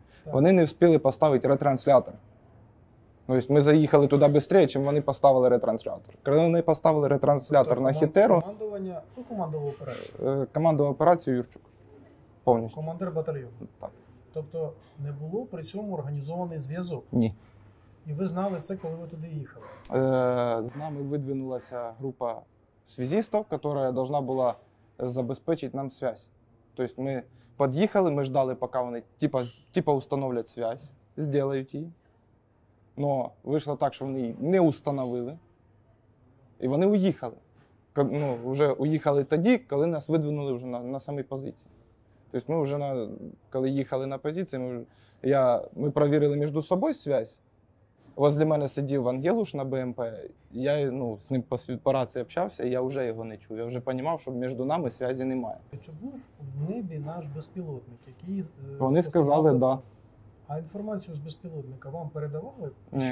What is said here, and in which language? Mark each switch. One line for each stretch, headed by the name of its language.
Ukrainian: Вони не встигли поставити ретранслятор. Тобто ми заїхали туди швидше, ніж вони поставили ретранслятор. Коли вони поставили ретранслятор на хітеру... Командування... Хто командував операцію? Командував операцію Юрчук. Повністю. Командир батальйону? Так. Тобто не було при цьому організований зв'язок? Ні. І ви знали це, коли ви туди їхали? З нами видвинулася
Russian: група связистов, которая должна была
Ukrainian: забезпечить
Russian: нам связь. То есть мы подъехали, мы ждали, пока они типа установят связь, сделают ее. Но вышло так, что они не установили. И они уехали. Ну, уже уехали тогда, когда нас выдвинули уже на самой позиции. То есть мы уже, когда ехали на позиции, мы проверили между собой связь.
Ukrainian: Возле мене сидів Ангелуш на БМП, я з ним по рації общався, і я вже його не чув. Я вже розумів, що між нами зв'язі немає. Чи був в небі наш безпілотник, який... Вони сказали, так. Да. А інформацію з безпілотника вам передавали під